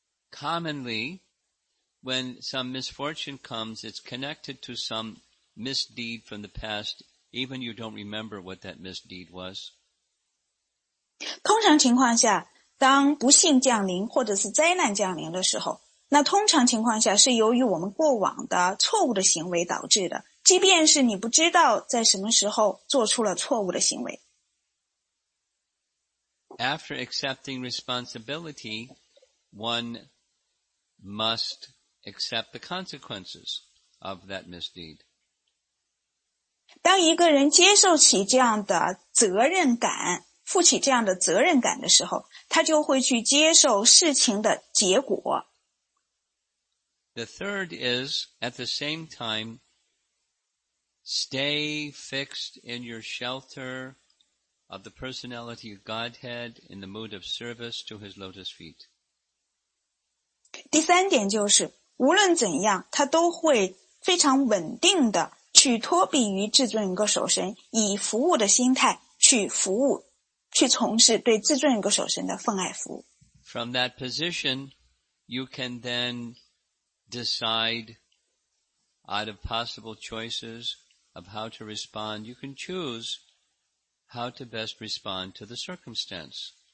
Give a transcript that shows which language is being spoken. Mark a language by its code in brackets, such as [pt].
[en] Commonly, when some misfortune comes, it's connected to some misdeed from the past, even you don't remember what that misdeed was. [zh] 通常情况下，当不幸降临或者是灾难降临的时候，那通常情况下是由于我们过往的错误的行为导致的，即便是你不知道在什么时候做出了错误的行为。 [en] After accepting responsibility, one must accept the consequences of that misdeed. [zh] 当一个人接受起这样的责任感，负起这样的责任感的时候，他就会去接受事情的结果。 [en] The third is, at the same time, stay fixed in your shelter of the personality of Godhead in the mood of service to his lotus feet. [zh] 第三点就是，无论怎样，他都会非常稳定的去托庇于至尊歌手神，以服务的心态去服务，去从事对至尊歌手神的奉爱服务。 [en] From that position, you can then decide out of possible choices of how to respond. You can choose how to best respond to the circumstance.